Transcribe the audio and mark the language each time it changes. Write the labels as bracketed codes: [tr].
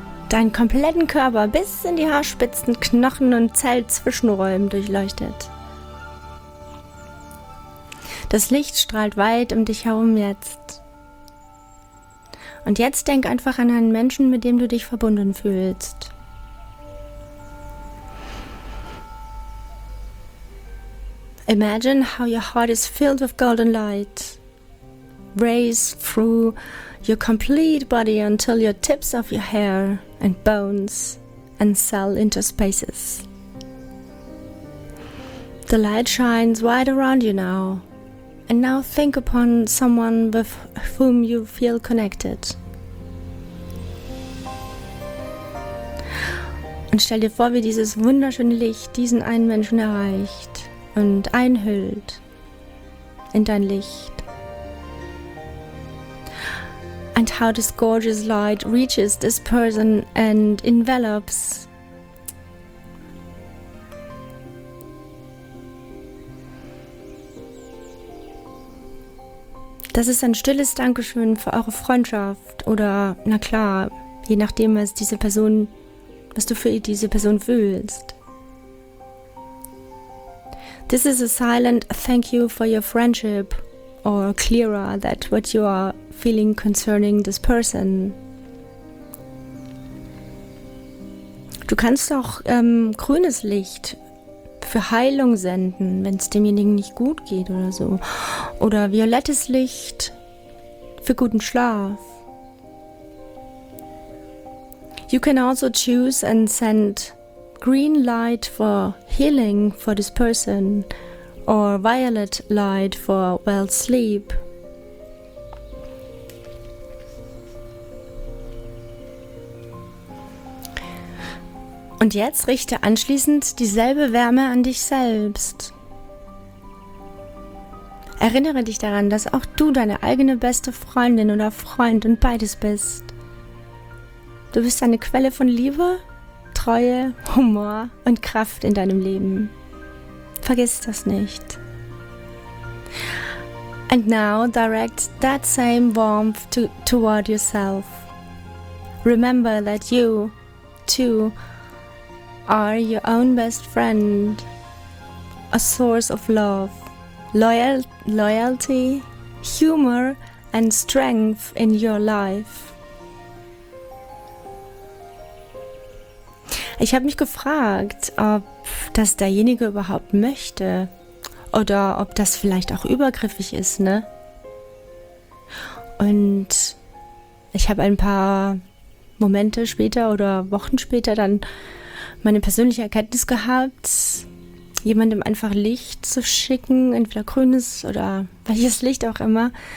[de] Deinen kompletten Körper bis in die Haarspitzen, Knochen und Zellzwischenräumen durchleuchtet. Das Licht strahlt weit um dich herum jetzt. Und jetzt denk einfach an einen Menschen, mit dem du dich verbunden fühlst. [en] Imagine how your heart is filled with golden light. Race through your complete body until your tips of your hair and bones and cell interspaces. The light shines wide around you now. And now think upon someone with whom you feel connected. [de] Und stell dir vor, wie dieses wunderschöne Licht diesen einen Menschen erreicht und einhüllt in dein Licht. [en] And how this gorgeous light reaches this person and envelops. [de] Das ist ein stilles Dankeschön für eure Freundschaft oder, na klar, je nachdem, was du für diese Person fühlst. [en] This is a silent thank you for your friendship. Or clearer that what you are feeling concerning this person. [de] Du kannst auch grünes Licht für Heilung senden, wenn es demjenigen nicht gut geht oder so. Oder violettes Licht für guten Schlaf. [en] You can also choose and send green light for healing for this person. Or violet light for well sleep. [de] Und jetzt richte anschließend dieselbe Wärme an dich selbst. Erinnere dich daran, dass auch du deine eigene beste Freundin oder Freund und beides bist. Du bist eine Quelle von Liebe, Treue, Humor und Kraft in deinem Leben. Vergiss das nicht. [en] And now direct that same warmth toward yourself. Remember that you, too, are your own best friend, a source of love, loyalty, humor, and strength in your life. [de] Ich habe mich gefragt, ob das derjenige überhaupt möchte oder ob das vielleicht auch übergriffig ist, ne? Und ich habe ein paar Momente später oder Wochen später dann meine persönliche Erkenntnis gehabt, jemandem einfach Licht zu schicken, entweder grünes oder welches Licht auch immer.